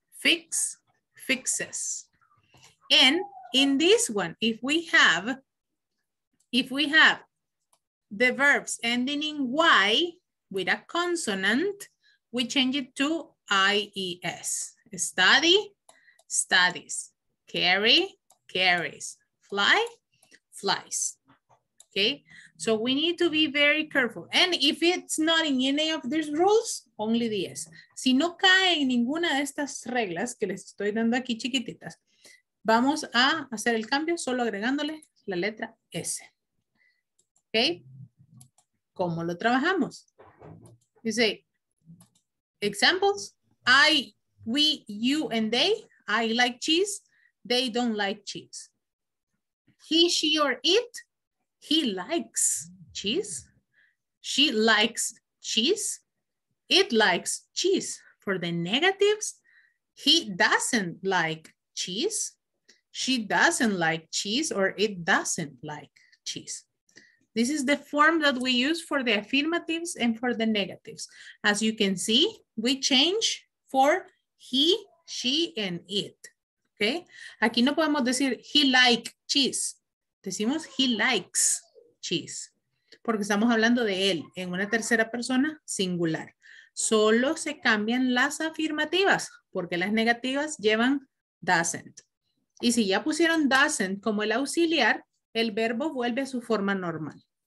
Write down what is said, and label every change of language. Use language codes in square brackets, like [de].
[en] Fix, fixes. And in this one, if we have the verbs ending in Y with a consonant, we change it to IES. Study, studies. Carry, carries. Fly, flies. Okay, so we need to be very careful. And if it's not in any of these rules, only the S. [es] Si no cae en ninguna de estas reglas que les estoy dando aquí chiquititas, vamos a hacer el cambio solo agregándole la letra S. Okay, ¿cómo lo trabajamos? [en] You say, examples, you and they, I like cheese, they don't like cheese. He, she, or it, he likes cheese. She likes cheese. It likes cheese. For the negatives, he doesn't like cheese. She doesn't like cheese, or it doesn't like cheese. This is the form that we use for the affirmatives and for the negatives. As you can see, we change for he, she, and it. [es] Okay? Aquí no podemos decir [en] he like cheese. [es] Decimos [en] he likes cheese, [es] porque estamos hablando de él en una tercera persona singular. Solo se cambian las afirmativas, porque las negativas llevan doesn't. Y si ya pusieron doesn't como el auxiliar, el verbo vuelve a su forma normal.